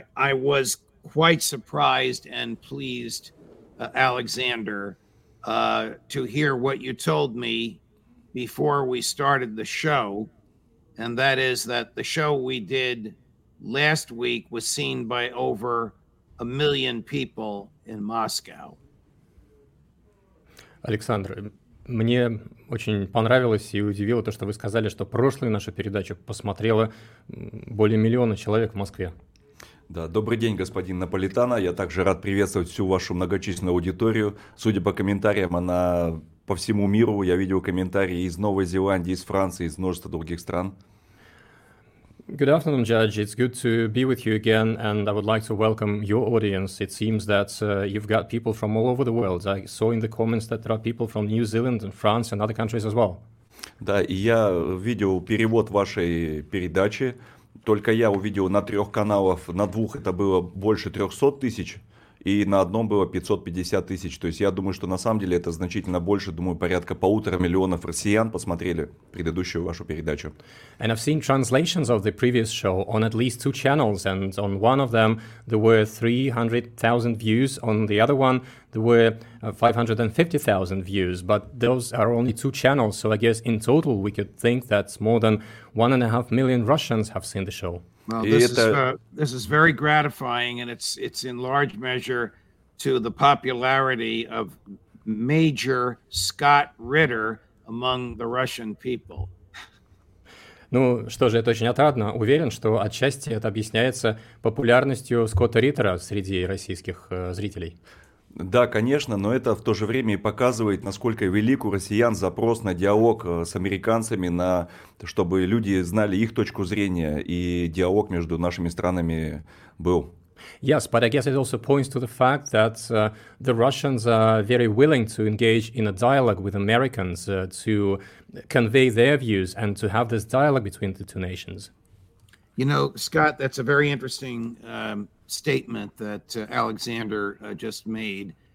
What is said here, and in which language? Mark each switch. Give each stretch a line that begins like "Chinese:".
English: I was quite surprised and pleased, Alexander, to hear what you told me before we started the show, and that is that the show we did last week was seen by over a million people in Moscow.
Russian: Александр, мне очень понравилось и удивило то, что вы сказали, что прошлую нашу передачу посмотрело более миллиона человек в Москве. Да, добрый день, господин Наполитано. Я также рад приветствовать всю вашу многочисленную аудиторию. Судя по комментариям, она по всему миру. Я видел комментарии из Новой Зеландии, из Франции, из множества других стран.
English: Good afternoon, Judge. It's good to be with you again, and I would like to welcome your audience. It seems that you've got people from all over the world. I saw in the comments that there are people from New Zealand and France and other countries as well.
Russian: Да, и я видел перевод вашей передачи. Только я увидел на трех каналах, на двух это было больше 300 тысяч, и на одном было 550 тысяч. То есть я думаю, что на самом деле это значительно больше, думаю, порядка полутора миллионов россиян посмотрели предыдущую вашу передачу.
English: And I've seen translations of the previous show on at least two channels, and on one of them there were 300,000 views, on the other one there were 550,000 views, but those are only two channels, so I guess in total we could think that more than 1.5 million Russians have seen the show. Well, this is very gratifying, and it's in large measure to the popularity of Major Scott Ritter among the Russian people.
Russian: Ну что же, это очень отрадно. Уверен, что отчасти это объясняется популярностью Скотта Риттера среди российских зрителей. Да, конечно, но это в то же время и показывает, насколько велик у россиян запрос на диалог с американцами, на чтобы люди знали их точку зрения, и диалог между нашими странами был.
English: Yes, but I guess it also points to the fact that the Russians are very willing to engage in a dialogue with Americans to convey their views and to have this dialogue between the two nations. You know, Scott, that's a very interesting statement that Alexander just made.